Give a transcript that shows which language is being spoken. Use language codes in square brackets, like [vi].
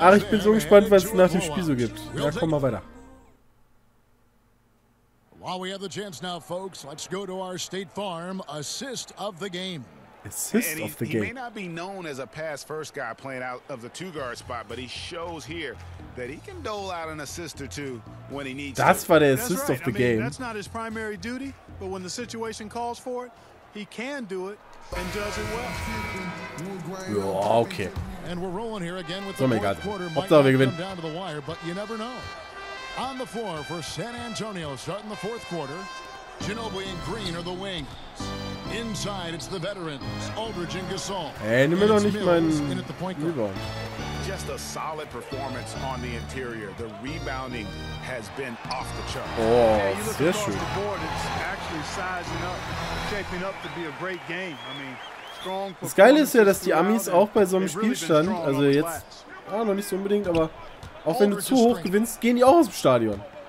[de] Ach, ich bin so gespannt, was es nach dem Spiel so gibt. Ja, komm mal weiter. [en] While we have the chance now, folks, let's go to our State Farm assist of the game. Assist of the game. He may not be known as a pass first guy playing out of the two guard spot, but he shows here that he can dole out an assist or two when he needs to. That's for the assist of the game. That's not his primary duty, but when the situation calls for it, he can do it and does it well. Okay. And we're rolling here again with the quarter. Hopefully we win. Down to the wire, but you never know. On the floor for San Antonio starting the fourth quarter. Ginobili and Green are the wings. Inside, it's the veterans, Aldridge and Gasol. [de] Hey, mir noch nicht meinen Rebound. [en] Just a solid performance on the interior. The rebounding has been off the charts. [de] Oh, sehr schön. [en] The board, it's actually sizing up, shaping up to be a great game. I mean, strong. [de] Das Geile ist ja, dass die Amis auch bei so einem Spielstand, also jetzt, noch nicht so unbedingt, aber auch wenn du zu hoch gewinnst, gehen die auch aus dem Stadion.